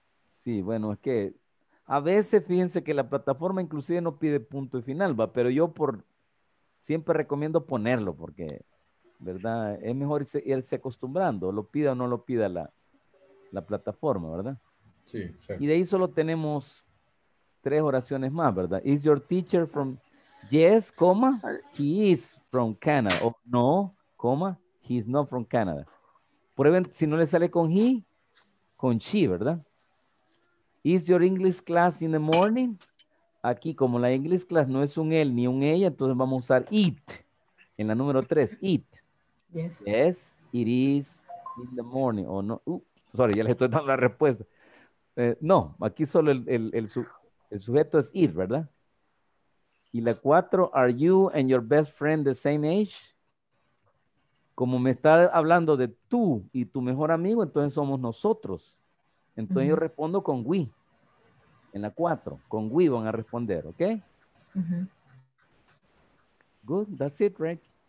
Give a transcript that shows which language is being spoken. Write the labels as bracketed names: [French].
[Spanish] Sí, bueno, es que a veces fíjense que la plataforma inclusive no pide punto y final, va, pero yo por siempre recomiendo ponerlo porque... ¿Verdad? Es mejor irse acostumbrando, lo pida o no lo pida la plataforma, ¿verdad? Sí, sí. Y de ahí solo tenemos tres oraciones más, ¿verdad? [English] Is your teacher from... Yes, comma, he is from Canada. O no, comma, he is not from Canada. [Spanish] Prueben, si no le sale con he, con she, ¿verdad? [English] Is your English class in the morning? [Spanish] Aquí, como la English class no es un él ni un ella, entonces vamos a usar it. En la número 3, it. [English] Yes. Yes, it is in the morning. [Spanish] O no. Sorry, ya les estoy dando la respuesta. No, aquí solo el sujeto es it, ¿verdad? [English] Y la 4, are you and your best friend the same age? [Spanish] Como me está hablando de tú y tu mejor amigo, entonces somos nosotros. Entonces yo respondo con we. En la 4, con we van a responder, ¿ok? [English] Good, that's it, Rick.